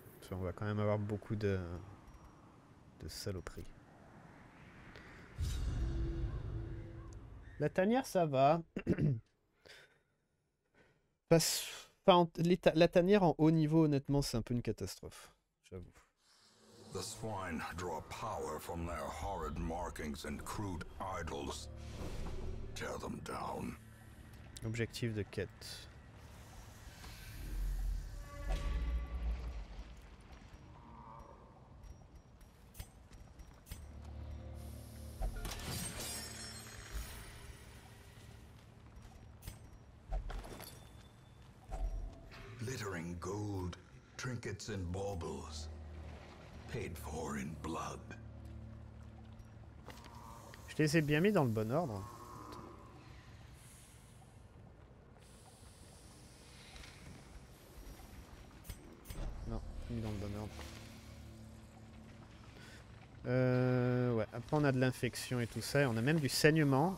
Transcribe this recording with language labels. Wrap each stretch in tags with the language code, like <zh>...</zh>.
<fr>On va quand même avoir beaucoup de saloperies. La tanière, ça va. Parce... la tanière en haut niveau, honnêtement, c'est un peu une catastrophe, j'avoue.</fr> <en>The swine draw power from their horrid markings and crude idols. Tear them down.</en> <fr>Objectif de quête.</fr> <en>Littering gold, trinkets and baubles, paid for in blood.</en> <fr>Je les ai bien mis dans le bon ordre. Non, mis dans le bon ordre. Ouais, après on a de l'infection et tout ça, et on a même du saignement.</fr>